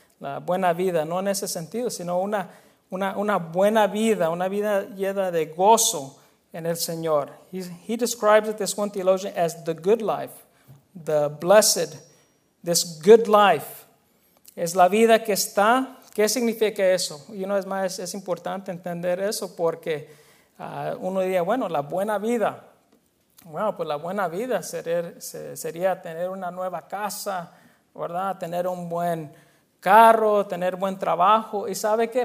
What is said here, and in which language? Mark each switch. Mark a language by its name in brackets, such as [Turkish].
[Spanish] La buena vida, no en ese sentido, sino una buena vida, una vida llena de gozo en el Señor. [English] He describes it, this one theologian, as the good life, the blessed, this good life. [Spanish] Es la vida que está, ¿qué significa eso? Y una vez más, es importante entender eso porque uno diría, bueno, la buena vida. Bueno, pues la buena vida sería tener una nueva casa, ¿verdad? Tener un buen carro, tener buen trabajo. ¿Y sabe qué?